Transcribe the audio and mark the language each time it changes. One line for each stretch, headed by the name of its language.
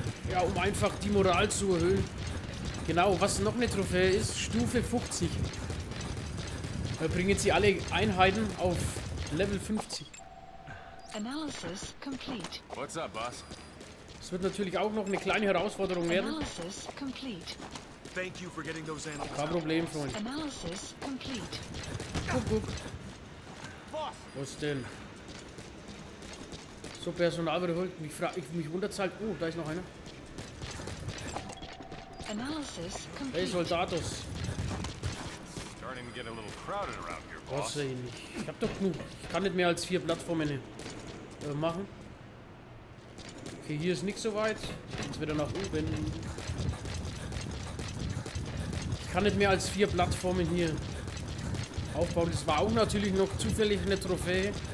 German: Ja, um einfach die Moral zu erhöhen. Genau, was noch eine Trophäe ist, Stufe 50. Da bringen sie alle Einheiten auf Level 50.
English: Analysis complete. What's up, boss?
German: Es wird natürlich auch noch eine kleine Herausforderung werden.
English: Analysis complete. Thank you for getting those animals.
German: Kein Problem, Freund.
English: Analysis complete.
German: Guck. Boss. Was denn? So Personal wiederholt. Mich wundert's halt. Oh, da ist noch einer.
English: Analysis complete. Hey, Soldatus. Starting to get a little crowded around here, boss.
German: Was denn? Ich hab doch genug. Ich kann nicht mehr als 4 Plattformen nehmen. Machen. Okay, hier ist nicht so weit. Jetzt wieder nach oben. Ich kann nicht mehr als 4 Plattformen hier aufbauen. Das war auch natürlich noch zufällig eine Trophäe.